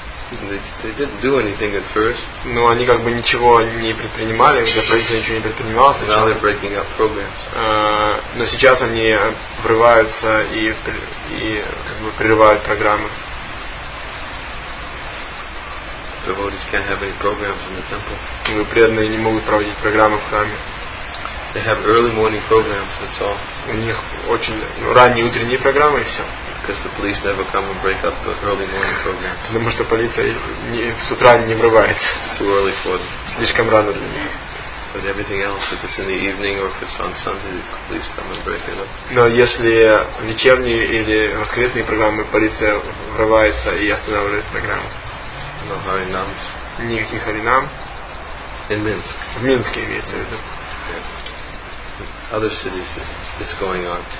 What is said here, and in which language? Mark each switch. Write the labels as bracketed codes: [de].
[en] They didn't do anything at first. [ru] Но они как бы ничего не предпринимали, ничего не предпринималось. [en] Now they're breaking up programs. [ru] Но сейчас они врываются и как бы прерывают программы. [en] Devotees can't have any programs in the temple. [ru] Ну, преданные не могут проводить программы в храме. [en] They have early morning programs, that's all. [ru] У них очень ранние утренние программы и все. [en] Because the police never come and break up the early morning programs. [ru] Потому что полиция с утра не врывается. [en] It's too early for them. [ru] Слишком рано для них. [en] But everything else, if it's in the evening or if it's on Sunday, the police come and break it up. [ru] Но если вечерние или воскресные программы, полиция врывается и останавливает программу. [en] No Харинамс. [ru] Никаких Харинам. [en] In Minsk. [ru] В Минске имеется в виду. [en] Other cities, it's going on.